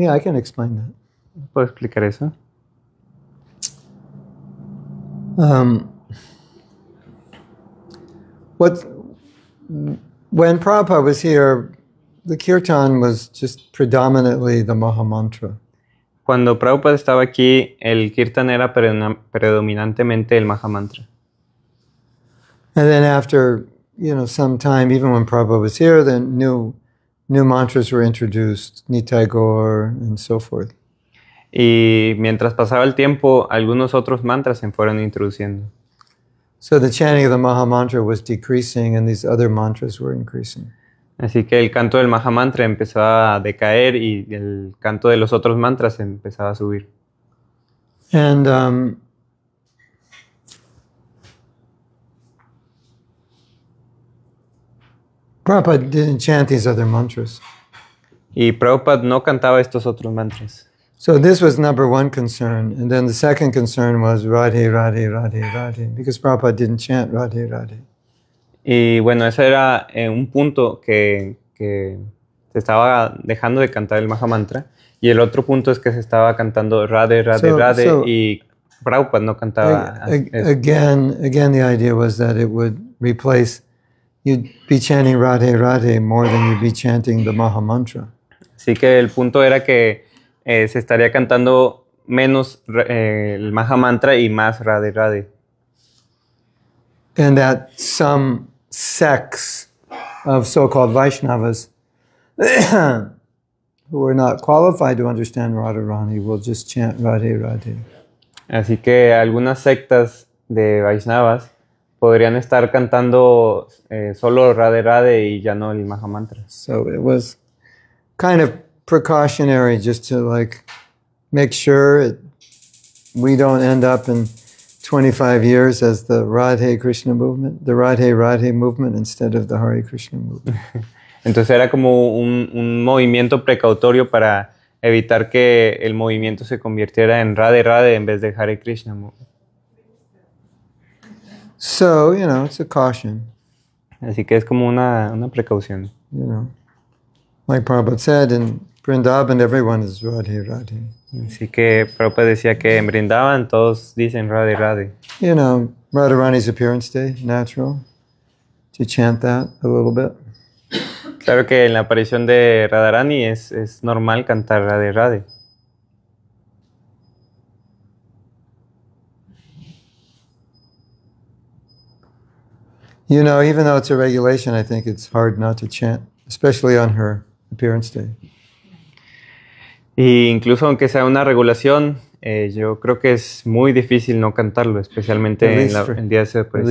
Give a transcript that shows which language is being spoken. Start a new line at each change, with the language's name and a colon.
English: Yeah, I can explain that.
Spanish: ¿Puedo explicar eso?
English: When Prabhupada was here, the kirtan was just predominantly the Maha Mantra.
Spanish: Cuando Prabhupada estaba aquí, el kirtan era predominantemente el Maha Mantra.
English: And then after, you know, some time, even when Prabhupada was here, then new mantras were introduced, Nitai Gaur and so forth.
Spanish: Y mientras pasaba el tiempo, algunos otros mantras se fueron introduciendo.
English: So the chanting of the Maha Mantra was decreasing and these other mantras were increasing.
Spanish: Así que el canto del Maha Mantra empezaba a decaer y el canto de los otros mantras empezaba a subir.
English: And Prabhupada didn't chant these other mantras.
Spanish: Y Prabhupada no cantaba estos otros mantras.
English: So this was number one concern. And then the second concern was Radhe, Radhe, Radhe, Radhe. Because Prabhupada didn't chant Radhe, Radhe.
Spanish: Y bueno, ese era un punto que se estaba dejando de cantar el Maha Mantra. Y el otro punto es que se estaba cantando Radhe, Radhe, Radhe. Y Prabhupada no cantaba.
English: Again, the idea was that it would replace... You'd be chanting Radhe Radhe more than you'd be chanting the Maha Mantra.
Spanish: Así que el punto era que se estaría cantando menos el Maha Mantra y más Radhe Radhe.
English: And that some sects of so-called Vaishnavas who are not qualified to understand Radharani will just chant Radhe Radhe.
Spanish: Así que algunas sectas de Vaishnavas podrían estar cantando solo Radhe Radhe y ya no el Maha Mantra.
English: So it was kind of precautionary just to like make sure we don't end up in 25 years as the Radhe Krishna movement, the Radhe Radhe movement instead of the Hare Krishna movement.
Spanish: Entonces era como un movimiento precautorio para evitar que el movimiento se convirtiera en Radhe Radhe en vez de Hare Krishna movement.
English: So, you know, it's a caution.
Spanish: Así que es como una precaución.
English: You know, like Prabhupada said, in Vrindavan, everyone is Radhe Radhe.
Spanish: Así que Prabhupada decía que en Vrindavan todos dicen Radhe Radhe.
English: You know, Radharani's appearance day, natural to chant that a little bit.
Spanish: Claro que en la aparición de Radharani es normal cantar Radhe Radhe.
English: You know, even though it's a regulation, I think it's hard not to chant especially on her appearance day.
Spanish: Y incluso aunque sea una regulación, yo creo que es muy difícil no cantarlo, especialmente en días de presión.